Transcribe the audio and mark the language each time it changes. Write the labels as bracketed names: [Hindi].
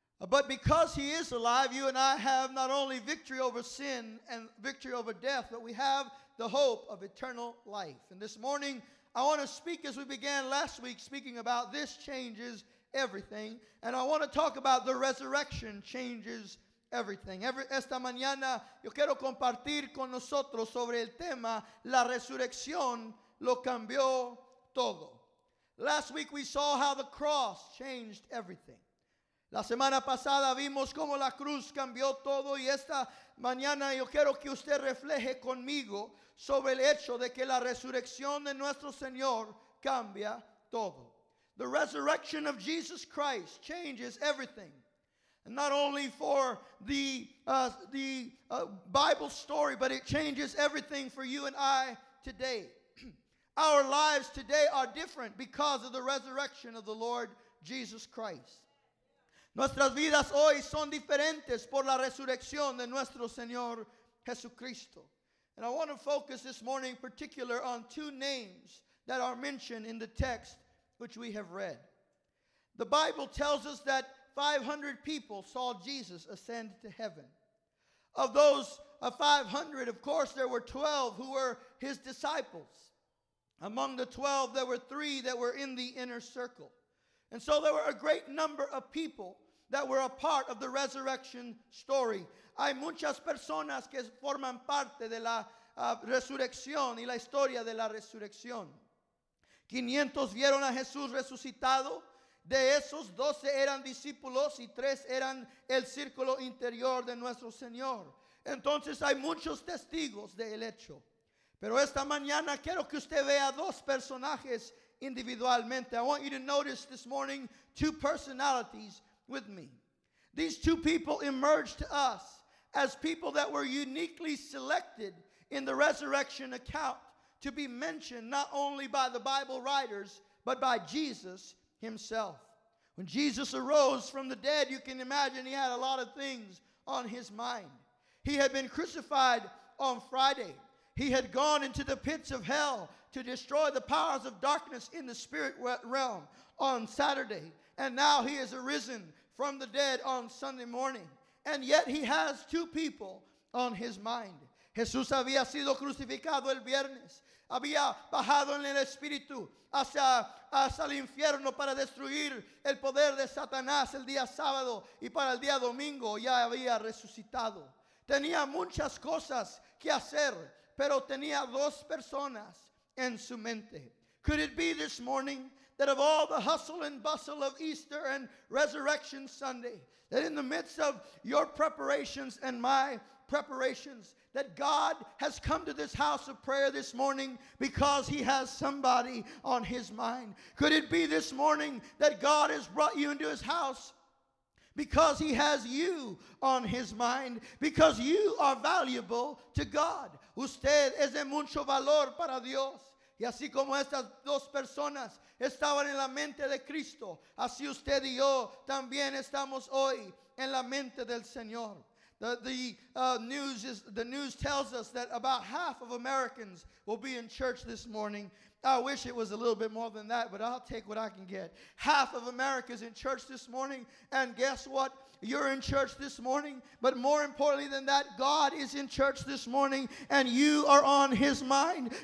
[English] But because he is alive, you and I have not only victory over sin and victory over death, but we have the hope of eternal life. And this morning, I want to speak as we began last week, speaking about this changes everything. And I want to talk about the resurrection changes everything. [Spanish] Esta mañana, yo quiero compartir con nosotros sobre el tema, la resurrección lo cambió todo. [English] Last week, we saw how the cross changed everything. [Spanish] La semana pasada vimos cómo la cruz cambió todo y esta mañana yo quiero que usted refleje conmigo sobre el hecho de que la resurrección de nuestro Señor cambia todo. [English] The resurrection of Jesus Christ changes everything. Not only for the Bible story, but it changes everything for you and I today. Our lives today are different because of the resurrection of the Lord Jesus Christ. [Spanish] Nuestras vidas hoy son diferentes por la resurrección de nuestro Señor Jesucristo. [English] And I want to focus this morning in particular on two names that are mentioned in the text which we have read. The Bible tells us that 500 people saw Jesus ascend to heaven. Of those 500, of course, there were 12 who were his disciples. Among the 12, there were 3 that were in the inner circle. And so there were a great number of people that were a part of the resurrection story. [Spanish] Hay muchas personas que forman parte de la resurrección y la historia de la resurrección. 500 vieron a Jesús resucitado. De esos, 12 eran discípulos y 3 eran el círculo interior de nuestro Señor. Entonces hay muchos testigos del hecho. Pero esta mañana quiero que usted vea dos personajes individualmente. [English] I want you to notice this morning 2 personalities with me. These 2 people emerged to us as people that were uniquely selected in the resurrection account to be mentioned not only by the Bible writers, but by Jesus himself. When Jesus arose from the dead, you can imagine he had a lot of things on his mind. He had been crucified on Friday. He had gone into the pits of hell to destroy the powers of darkness in the spirit realm on Saturday. And now he has arisen from the dead on Sunday morning. And yet he has 2 people on his mind. [Spanish] Jesús había sido crucificado el viernes. Había bajado en el espíritu hacia el infierno para destruir el poder de Satanás el día sábado. Y para el día domingo ya había resucitado. Tenía muchas cosas que hacer, pero tenía 2 personas en su mente. [English] Could it be this morning that of all the hustle and bustle of Easter and Resurrection Sunday, that in the midst of your preparations and my preparations, that God has come to this house of prayer this morning because he has somebody on his mind? Could it be this morning that God has brought you into his house because he has you on his mind, because you are valuable to God? [Spanish] Usted es de mucho valor para Dios. Y así como estas 2 personas estaban en la mente de Cristo, así usted y yo también estamos hoy en la mente del Señor. [English] The news tells us that about half of Americans will be in church this morning. I wish it was a little bit more than that, but I'll take what I can get. Half of America's in church this morning, and guess what? You're in church this morning, but more importantly than that, God is in church this morning, and you are on his mind.